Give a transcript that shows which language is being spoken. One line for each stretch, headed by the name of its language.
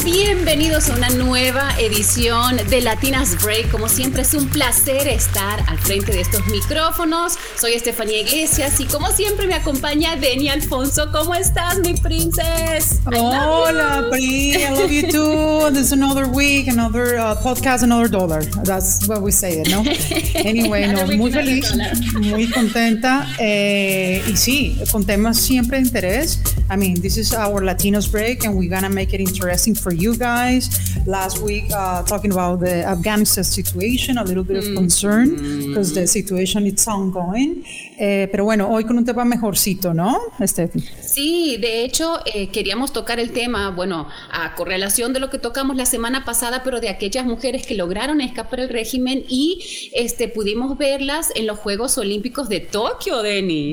Spanish: Bienvenidos a una nueva edición de Latinas Break. Como siempre, es un placer estar al frente de estos micrófonos. Soy Estefanía Iglesias y como siempre me acompaña Deni Alfonso. ¿Cómo estás, mi princesa?
English: Hola, Pri. I love you too. This is another week, another podcast, another dollar. That's what we say, ¿no?
Spanish: Anyway, no, muy feliz, muy contenta. Y sí, con temas siempre de interés.
English: I mean, this is our Latinos Break and we're gonna make it interesting for you guys. Last week, talking about the Afghanistan situation, a little bit of concern because the situation is ongoing.
Spanish: Pero bueno, hoy con un tema mejorcito, ¿no, Estefi? Sí, de hecho, queríamos tocar el tema, bueno, a correlación de lo que tocamos la semana pasada, pero de aquellas mujeres que lograron escapar del régimen y pudimos verlas en los Juegos Olímpicos de Tokio, Deni.